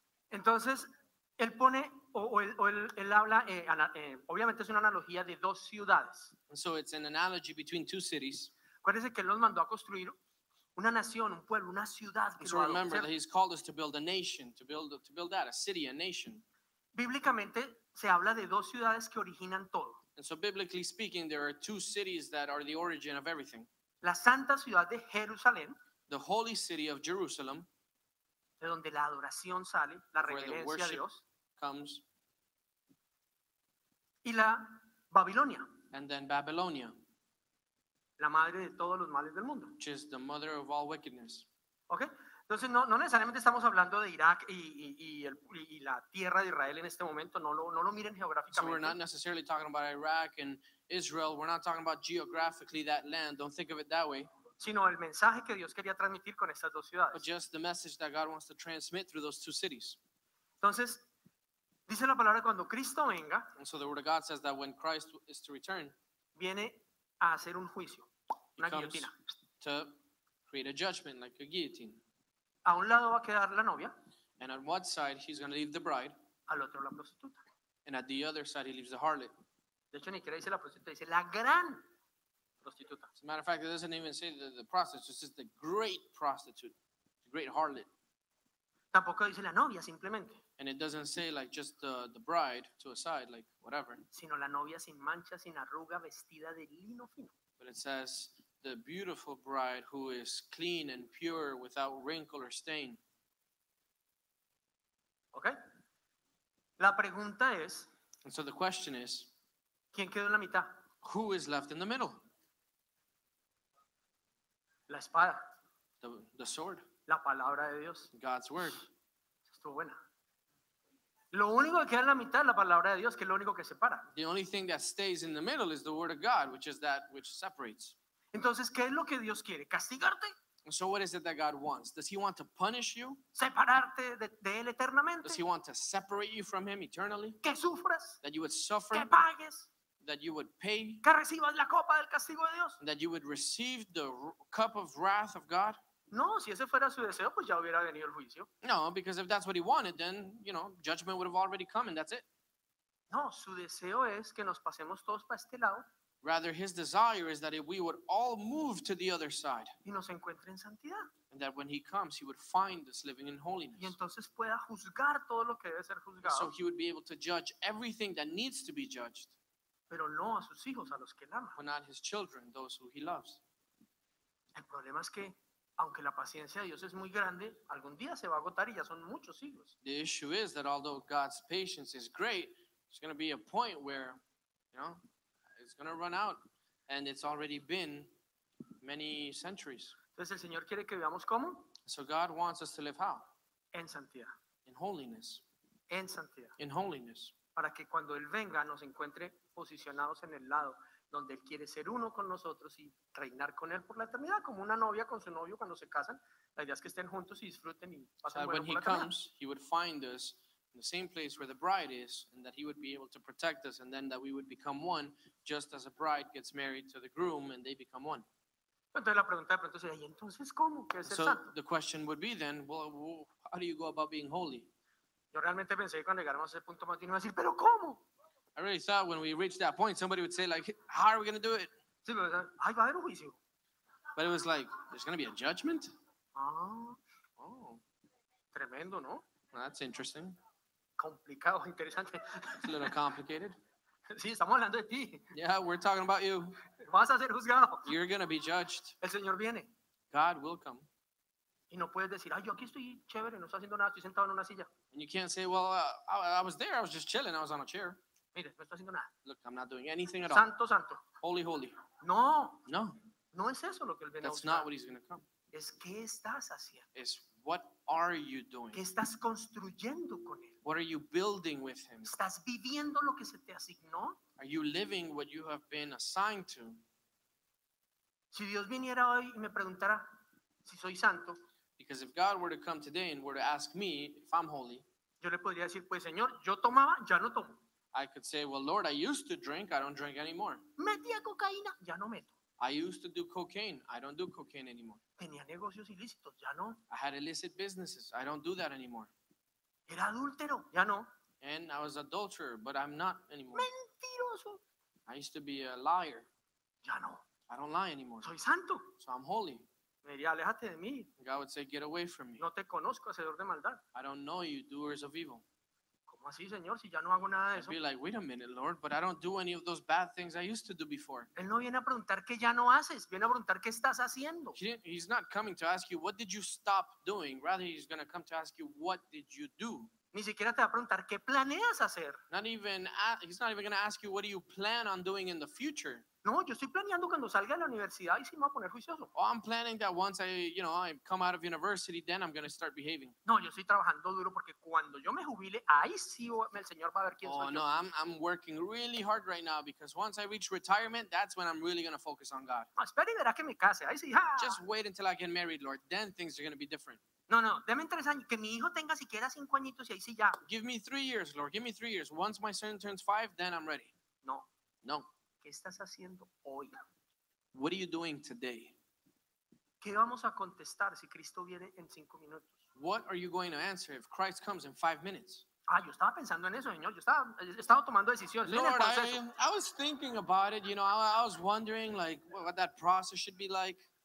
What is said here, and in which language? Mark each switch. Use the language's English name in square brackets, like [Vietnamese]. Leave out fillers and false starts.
[Spanish] Entonces, él pone, o él habla, obviamente es una analogía de dos ciudades. [English] So it's an analogy between two cities. [Spanish] Acuérdense que él los mandó a construir una nación, un pueblo, una ciudad. [English] So remember that he's called us to build a nation, to build a city, a nation. [Spanish] Bíblicamente se habla de dos ciudades que originan todo. [English] And so biblically speaking, there are two cities that are the origin of everything. [Spanish] La santa ciudad de Jerusalén. [English] The holy city of Jerusalem. [Spanish] De donde la adoración sale, la reverencia a Dios. [English] Comes. [Spanish] Y la Babilonia. [English] And then Babylonia. [Spanish] La madre de todos los males del mundo. [English] Which is the mother of all wickedness. Okay. [Spanish] Entonces no necesariamente estamos hablando de Irak y la tierra de Israel en este momento. No lo miren geográficamente. [English] So we're not necessarily talking about Iraq and Israel. We're not talking about geographically that land. Don't think of it that way. [Spanish] Sino el mensaje que Dios quería transmitir con estas dos ciudades. [English] But just the message that God wants to transmit through those two cities. [Spanish] Entonces, dice la palabra cuando Cristo venga. [English] And so the word of God says that when Christ is to return. [Spanish] Viene a hacer un juicio, una guillotina. [English] To create a judgment, like a guillotine. [Spanish] A un lado va a quedar la novia. [English] And on one side, he's going to leave the bride. [Spanish] Al otro, la prostituta. [English] And at the other side, he leaves the harlot. [Spanish] De hecho, ni siquiera dice la prostituta, dice la gran prostituta. [English] As a matter of fact, it doesn't even say the prostitute, it's just the great prostitute, the great harlot. [Spanish] Tampoco dice la novia, simplemente. [English] And it doesn't say like just the bride to a side, like whatever. [Spanish] Sino la novia sin mancha, sin arruga, vestida de lino fino. [English] But it says the beautiful bride who is clean and pure without wrinkle or stain. [Spanish] Okay. La pregunta es. [English] And so the question is, [Spanish] ¿quién quedó en la mitad? [English] Who is left in the middle? [Spanish] La espada. [English] The sword. [Spanish] La palabra de Dios. [English] God's word. [Spanish] Estuvo buena. Lo único que queda en la mitad es la palabra de Dios, que es lo único que separa. [English] The only thing that stays in the middle is the word of God, which is that which separates. [Spanish] Entonces, ¿qué es lo que Dios quiere? ¿Castigarte? [English] And so what is it that God wants? Does he want to punish you? [Spanish] Separarte de él eternamente? [English] Does he want to separate you from him eternally? [Spanish] Que sufras. [English] That you would suffer. [Spanish] Que pagues. [English] That you would pay. [Spanish] Que recibas la copa del castigo de Dios. [English] That you would receive the cup of wrath of God. [Spanish] No, si ese fuera su deseo, pues ya hubiera venido el juicio. [English] No, because if that's what he wanted, then, you know, judgment would have already come and that's it. [Spanish] No, su deseo es que nos pasemos todos para este lado. [English] Rather, his desire is that if we would all move to the other side. [Spanish] Y nos encuentre en santidad. [English] And that when he comes, he would find us living in holiness. [Spanish] Y entonces pueda juzgar todo lo que debe ser juzgado. [English] So he would be able to judge everything that needs to be judged. [Spanish] Pero no a sus hijos, a los que él ama. [English] But not his children, those who he loves. [Spanish] El problema es que aunque la paciencia de Dios es muy grande, algún día se va a agotar y ya son muchos siglos. [English] The issue is that although God's patience is great, there's going to be a point where, you know, it's going to run out, and it's already been many centuries. [Spanish] Entonces el Señor quiere que veamos cómo. [English] So God wants us to live how? [Spanish] En santidad. [English] In holiness. [Spanish] En santidad. [English] In holiness. [Spanish] Para que cuando Él venga nos encuentre posicionados en el lado donde Él quiere ser uno con nosotros y reinar con Él por la eternidad, como una novia con su novio cuando se casan. La idea es que estén juntos y disfruten y pasen bueno por la eternidad. [English] When he comes, he would find us in the same place where the bride is, and that he would be able to protect us, and then that we would become one, just as a bride gets married to the groom, and they become one. [Spanish] Entonces la pregunta de pronto sería, ¿y entonces cómo? ¿Qué es el [English] so [Spanish] santo? [English] The question would be then, well, how do you go about being holy? [Spanish] Yo realmente pensé que cuando llegáramos a ese punto, Martín iba a decir, ¿pero cómo? [English] I really thought when we reached that point, somebody would say, like, how are we going to do it? [Spanish] Sí, pero, ay, va a haber un juicio. [English] But it was like, there's going to be a judgment? [Spanish] Oh. Tremendo, ¿no? [English] Well, that's interesting. [Spanish] Complicado, interesante. [English] It's a little complicated. [Spanish] Sí, estamos hablando de ti. [English] Yeah, we're talking about you. [Spanish] Vas a ser juzgado. [English] You're going to be judged. [Spanish] El Señor viene. [English] God will come. [Spanish] Y no puedes decir, ay, yo aquí estoy chévere, no estoy haciendo nada, estoy sentado en una silla. [English] And you can't say, well, I was there, I was just chilling, I was on a chair. [Spanish] Mire, no estoy haciendo nada. [English] Look, I'm not doing anything at [Spanish] santo, [English] all. [Spanish] Santo, santo. [English] Holy, holy. [Spanish] No. [English] No. [Spanish] No es eso lo que él viene [English] that's [Spanish] a buscar. [English] Not what he's going to come. [Spanish] Es qué estás haciendo. [English] It's what are you doing. [Spanish] Qué estás construyendo con él. [English] What are you building with him. [Spanish] Estás viviendo lo que se te asignó. [English] Are you living what you have been assigned to. [Spanish] Si Dios viniera hoy y me preguntara si soy santo. [English] Because if God were to come today and were to ask me if I'm holy. [Spanish] Yo le podría decir, pues señor, yo tomaba, ya no tomo. [English] I could say, well, Lord, I used to drink. I don't drink anymore. [Spanish] Metí a cocaína, ya no meto. [English] I used to do cocaine. I don't do cocaine anymore. [Spanish] Tenía negocios ilícitos, ya no. [English] I had illicit businesses. I don't do that anymore. [Spanish] Era adúltero, ya no. [English] And I was adulterer, but I'm not anymore. [Spanish] Mentiroso. [English] I used to be a liar. [Spanish] Ya no. [English] I don't lie anymore. [Spanish] Soy santo. [English] So I'm holy. [Spanish] Me diría, aléjate de mí. [English] God would say, get away from me. [Spanish] No te conozco, hacedor de maldad. [English] I don't know you, doers of evil. [Spanish] Así, señor, si ya no hago nada de eso. [English] I'd be like, wait a minute, Lord, but I don't do any of those bad things I used to do before. [Spanish] Él no viene a preguntar qué ya no haces, viene a preguntar qué estás haciendo. [English] He's not coming to ask you, what did you stop doing? Rather, he's going to come to ask you, what did you do? [Spanish] Ni siquiera te va a preguntar qué planeas hacer. [English] He's not even going to ask you, what do you plan on doing in the future? [Spanish] No, yo estoy planeando cuando salga de la universidad y si me voy a poner juicioso. [English] Oh, I'm planning that once I, you know, I come out of university, then I'm going to start behaving. [Spanish] No, yo estoy trabajando duro porque cuando yo me jubile, ahí sí el Señor va a ver quién oh, soy no, yo. [English] Oh, no, I'm working really hard right now because once I reach retirement, that's when I'm really going to focus on God. [Spanish] No, espera y verá que me case, ahí sí. Ja. [English] Just wait until I get married, Lord, then things are going to be different. [Spanish] No, no, deme 3 años, que mi hijo tenga siquiera 5 añitos y ahí sí ya. [English] Give me 3 years, Lord, give me 3 years. Once my son turns 5, then I'm ready. [Spanish] No. [English] No. [Spanish] ¿Qué estás haciendo hoy? [English] What are you doing today? [Spanish] ¿Qué vamos a contestar si Cristo viene en 5 minutos? [English] What are you going to answer if Christ comes in 5 minutes? [Spanish] Ah, yo estaba pensando en eso, señor. Yo estaba tomando decisiones. [English] Lord, I was thinking about it. You know, I was wondering like what that process should be like.